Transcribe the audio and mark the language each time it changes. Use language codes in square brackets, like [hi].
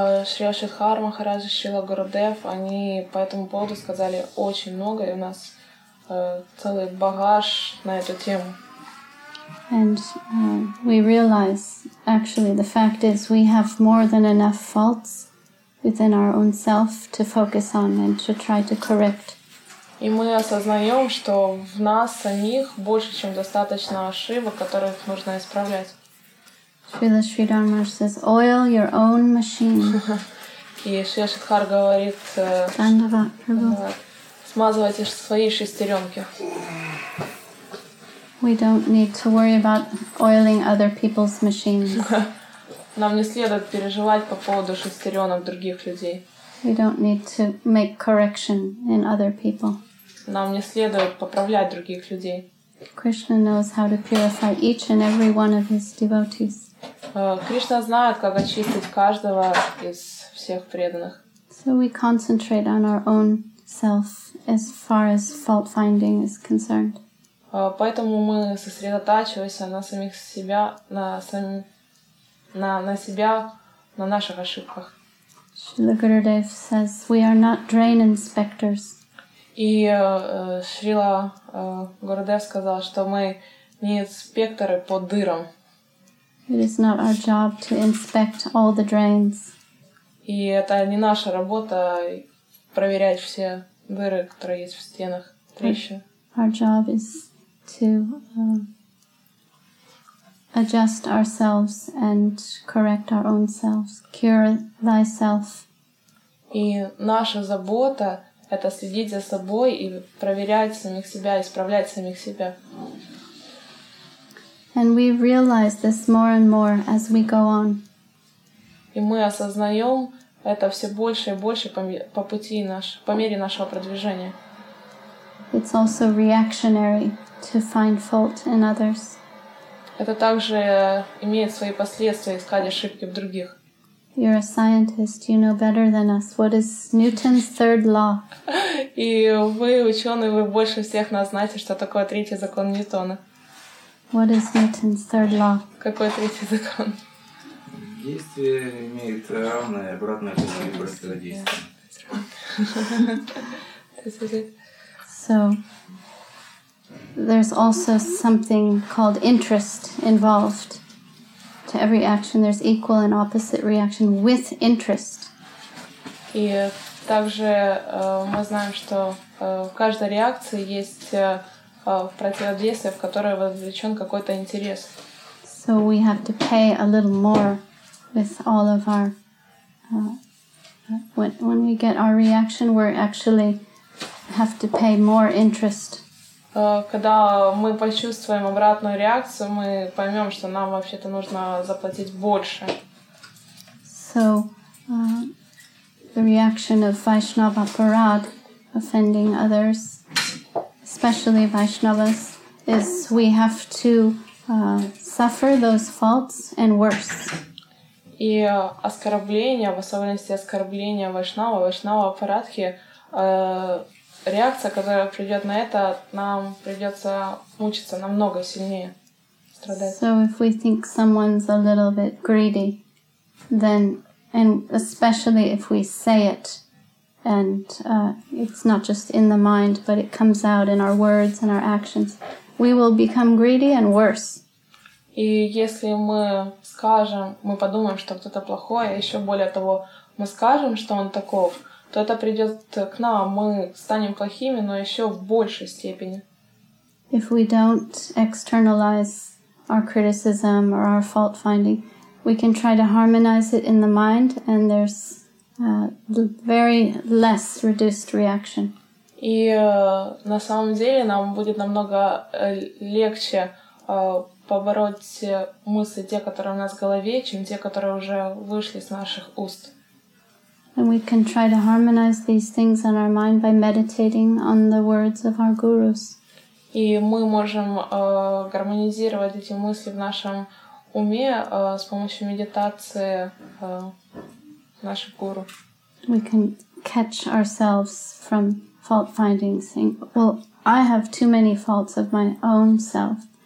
[ru] Шри Шридхар Махарадж и Шрила Гурудев, они по этому поводу сказали очень много, и у нас целый багаж на эту тему. [en] And we realize, actually, the fact is we have more than enough faults within our own self to focus on and to try to correct. [ru] И мы осознаем, что в нас самих больше, чем достаточно ошибок, которые нужно исправлять. [en] Шрила Шридхар says, oil your own machine. [ru] И Шрила Шридхар говорит, смазывайте свои шестеренки. [en] We don't need to worry about oiling other people's machines. [ru] Нам не следует переживать по поводу шестеренок других людей. [en] We don't need to make correction in other people. [ru] Нам не следует поправлять других людей. [en] Krishna knows how to purify each and every one of his devotees. [ru] Кришна знает, как очистить каждого из всех преданных. [en] So we concentrate on our own self as far as fault finding is concerned. [ru] Поэтому мы сосредотачиваемся на самих себя, на себя, на наших ошибках. [en] Srila Gurudev says, we are not drain inspectors. [ru] И Шрила Гурудев сказал, что мы не инспекторы по дырам. [en] It is not our job to inspect all the drains. [ru] И это не наша работа проверять все дыры, которые есть в стенах, трещины. [en] Our job is to adjust ourselves and correct our own selves, cure thyself. [ru] И наша забота — это следить за собой и проверять самих себя, исправлять самих себя. [en] And we realize this more and more as we go on. [ru] И мы осознаем это все больше и больше по пути по мере нашего продвижения. [en] It's also reactionary to find fault in others. [ru] Это также имеет свои последствия искать ошибки в других. [en] You're a scientist, you know better than us. What is Newton's third law? [ru] И вы ученые, вы больше всех нас знаете, что такое третий закон Ньютона. [en] What is Newton's third law? [ru] Какой третий закон? Действие имеет равное и обратное противодействие. [en] So, there's also something called interest involved. To every action, there's equal and opposite reaction with interest. [ru] И также мы знаем, что в каждой реакции есть противодействие, в которое вовлечен какой-то интерес. [en] So we have to pay a little more with all of our... When we get our reaction, we're actually... have to pay more interest. [ru] Когда мы почувствуем обратную реакцию, мы поймем, что нам вообще-то нужно заплатить больше. [en] So, the reaction of Vaishnava Parad offending others, especially Vaishnavas, is we have to suffer those faults and worse. [ru] И оскорбление, в особенности оскорбление Вайшнава Парадхи, реакция, которая придет на это, нам придется мучиться намного сильнее, страдать. [en] So if we think someone's a little bit greedy, then, and especially if we say it, and it's not just in the mind, but it comes out in our words and our actions, we will become greedy and worse. [ru] И если мы скажем, мы подумаем, что кто-то плохой, а еще более того, мы скажем, что он таков, то это придет к нам, мы станем плохими, но еще в большей степени. [en] If we don't externalize our criticism or our fault finding, we can try to harmonize it in the mind, and there's very less reduced reaction. [ru] И на самом деле нам будет намного легче побороть мысли, те, которые у нас в голове, чем те, которые уже вышли из наших уст. [en] And we can try to harmonize these things in our mind by meditating on the words of our gurus. [ru] И мы можем гармонизировать эти мысли в нашем уме с помощью медитации наших гуру. [en] We can catch ourselves from fault finding, saying, "Well, I have too many faults of my own self."